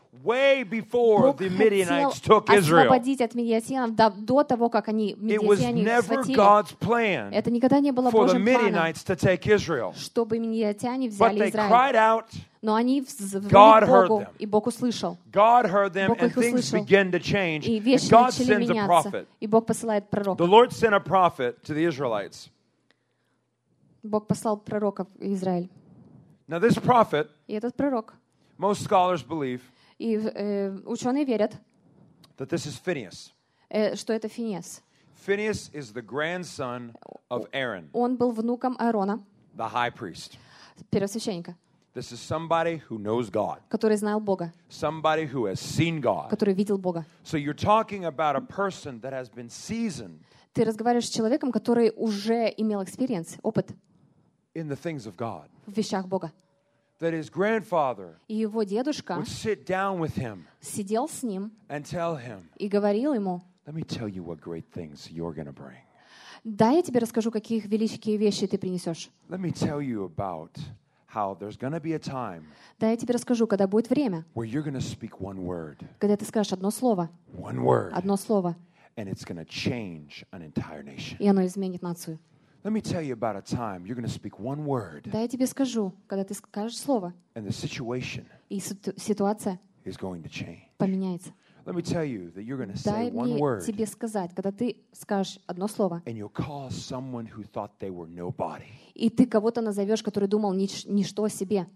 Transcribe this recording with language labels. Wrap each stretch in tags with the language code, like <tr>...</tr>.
<en>Way before the Midianites took Israel.</en> <ru>Освободить от Мидианитян до того, как они Мидианитяне схватили. Это никогда не было Божьим планом, чтобы Мидианитяне взяли Израиль. Но они взвыли к Богу, и Бог услышал.</ru> <en>God heard them, and things began to change.</en> <ru>И вещи начали меняться. И Бог посылает пророка.</ru> <en>The Lord sent a prophet to the Israelites.</en> <ru>Бог послал пророка в Израиль.</ru> <en>Now this prophet,</en> <ru>и этот пророк,</ru> <en>most scholars believe,</en> <ru>и ученые верят,</ru> <en>that this is Phineas.</en> <ru>Что это Финиас.</ru> <en>Phineas is the grandson of Aaron.</en> <ru>Он был внуком Аарона.</ru> <en>The high priest.</en> <ru>Первосвященника.</ru> <en>This is somebody who knows God.</en> <ru>Который знал Бога.</ru> <en>Somebody who has seen God.</en> <ru>Который видел Бога.</ru> <en>So you're talking about a person that has been seasoned.</en> <ru>Ты разговариваешь с человеком, который уже имел experience, опыт.</ru> <en>In the things of God.</en> <ru>В вещах Бога.</ru> <en>That his grandfather would sit down with him</en> <ru>сидел с ним</ru> <en>and tell him,</en> <ru>и говорил ему,</ru> <en>let me tell you what great things you're going to bring.</en> <ru>Дай я тебе расскажу, какие великие вещи ты принесешь.</ru> <en>Let me tell you about how there's going to be a time,</en> <ru>дай я тебе расскажу, когда будет время,</ru> <en>where you're going to speak one word,</en> <ru>когда ты скажешь одно слово,</ru> <en>one word,</en> <ru>одно слово,</ru> <en>and it's going to change an entire nation.</en> <ru>И оно изменит нацию.</ru> <en>Let me tell you about a time you're going to speak one word.</en> <ru>Дай я тебе скажу, когда ты скажешь слово.</ru> <en>And the situation</en> <ru>ситуация</ru> <en>is going to change.</en> <ru>Поменяется.</ru> <en>Let me tell you that you're going to say one word.</en> <ru>Дай мне тебе сказать, когда ты скажешь одно слово.</ru> <en>And you'll call someone who thought they were nobody.</en> <ru>И ты кого-то назовешь, который думал ничто о себе.</ru>